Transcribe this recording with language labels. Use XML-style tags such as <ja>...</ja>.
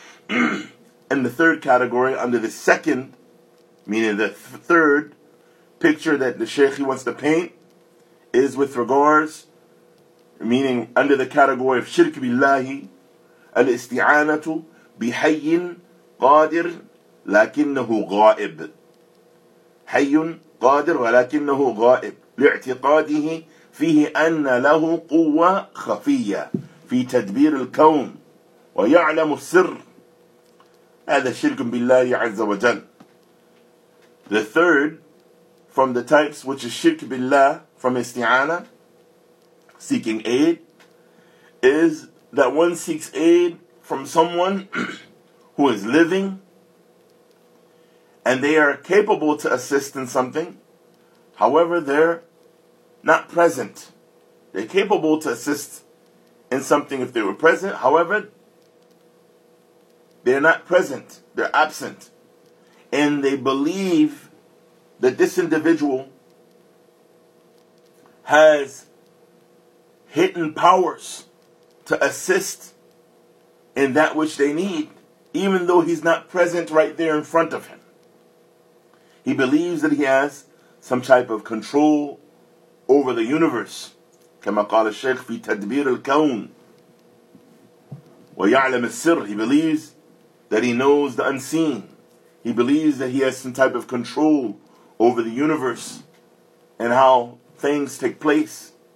<en>And the third category, under the second, meaning the third picture that the Shaykh he wants to paint, is with regards, meaning under the category of</en> <ar>shirk billahi, al-isti'anatu bihayyin qadir lakinnahu ghaib. Hayyun qadir walakinnahu ghaib. لاعتقاده فيه أن له قوة خفية في تدبير الكون ويعلم السر. هذا شرك بالله عز وجل.</ar> <en>The third from the types which is shirk billah from isti'ana, seeking aid, is that one seeks aid from someone who is living and they are capable to assist in something. However, they're not present. They're capable to assist in something if they were present. However, they're not present. They're absent. And they believe that this individual has hidden powers to assist in that which they need, even though he's not present right there in front of him. He believes that he has some type of control over the universe.</en> <ar>كما قال الشيخ في تدبير الكون ويعلم السر.</ar> <en>He believes that he knows the unseen. He believes that he has some type of control over the universe and how things take place.</en>